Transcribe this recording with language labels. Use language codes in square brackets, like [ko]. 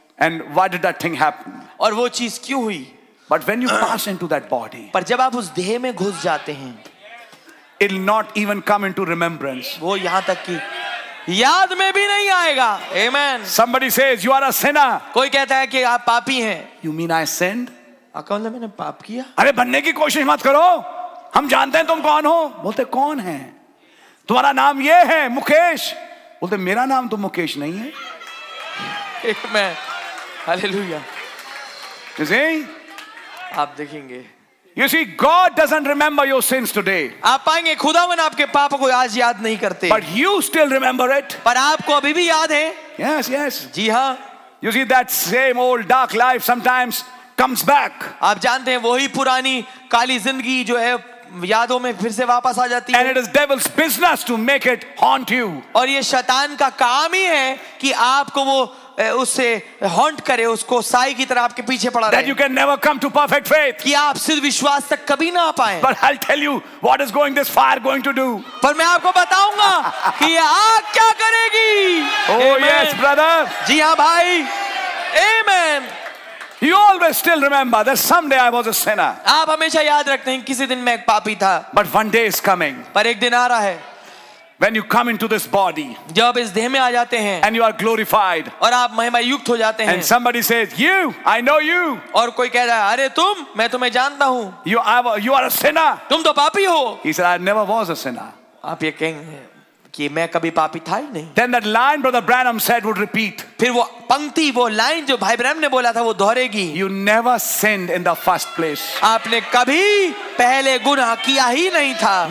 [en] And why did that thing happen? [hi] और वो चीज क्यों हुई? [en] But when you pass into that body, [hi] पर जब आप उस देह में घुस जाते हैं, [en] it'll not even come into remembrance. [hi] वो यहाँ तक कि याद में भी नहीं आएगा. [en] Amen. Somebody says you are a sinner. [hi] कोई कहता है कि आप पापी हैं. [en] You mean I sinned? [hi] Account में मैंने पाप किया? अरे बनने की कोशिश मत करो. हम जानते हैं तुम कौन हो. बोलते कौन है? तुम्हारा नाम ये है मुकेश. बोलते मेरा नाम तो मुकेश नहीं है. [en] Amen. Hallelujah. You see? [hi] आप देखेंगे. [en] You see, God doesn't remember your sins today. [hi] आप पाएंगे खुदावन आपके पाप को आज याद नहीं करते. [en] But you still remember it. [hi] पर आपको अभी भी याद है. [en] Yes, yes. [hi] जी हाँ. [en] You see, that same old dark life sometimes comes back. [hi] आप जानते हैं वही पुरानी काली जिंदगी जो है यादों में फिर से वापस आ जाती है. [en] And it is devil's business to make it haunt you. [hi] और ये शैतान का काम ही है कि आपको वो उससे हॉन्ट करे, उसको साई की तरह आपके पीछे पड़ा रहे. [en] That you can never come to perfect faith. [hi] कि आप सिद्ध विश्वास तक कभी ना पाए. [en] But I'll tell you what is going this fire going to do. [hi] पर मैं आपको बताऊंगा कि ये आग क्या करेगी. [en] Oh yes, brother. [hi] जी हाँ भाई. Amen. [en] You always still remember that someday I was a sinner. [hi] आप हमेशा याद रखते हैं किसी दिन मैं एक पापी था. [en] But one day is coming. [hi] पर एक दिन आ रहा है. [en] When you come into this body, [hi] जब इस देह में आ जाते हैं, [en] and you are glorified, [hi] और आप महिमायुक्त हो जाते हैं, [en] and somebody says, you, I know you, [hi] और कोई कह रहा है, अरे तुम, मैं तुम्हें जानता हूँ, [en] you are a sinner, [hi] तुम तो पापी हो, [en] he said, I never was a sinner, [hi] आप ये कहेंगे, कि मैं कभी पापी था ही नहीं. [en] Then that line brother Branham said would repeat. [hi] फिर वो पंक्ति, वो लाइन जो भाई ब्रह्म ने बोला था वो दोहरेगी. [en] You never sinned in the first place. [hi] आपने कभी पहले गुनाह किया ही नहीं था.